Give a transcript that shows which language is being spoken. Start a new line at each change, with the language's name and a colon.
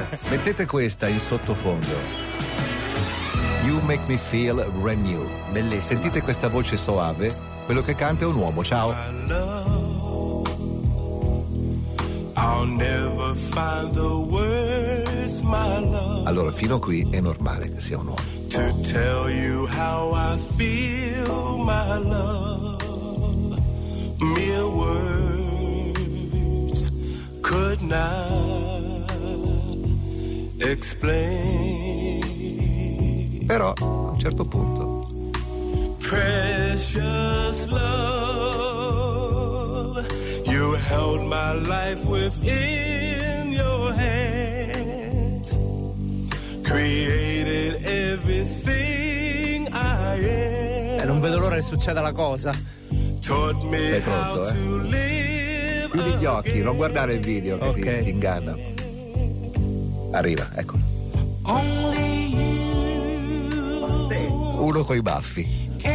Italian: Mettete questa in sottofondo.
English: You make me feel renewed.
Italian: Bellissimo. Sentite questa voce soave. Quello che canta è un uomo. Ciao.
English: I love I'll never find the words, my love.
Italian: Allora, fino a qui è normale che sia un uomo.
English: To tell you how I feel, my love. Mere words could not explain.
Italian: Però a un certo punto.
English: Precious love, you held my life within your hands, created everything I am.
Italian: Non vedo l'ora che succeda la cosa.
English: Taught me how to live.
Italian: Chiudi gli occhi, non guardare il video che okay. ti inganna. Arriva, eccolo.
English: Only you.
Italian: Uno coi baffi.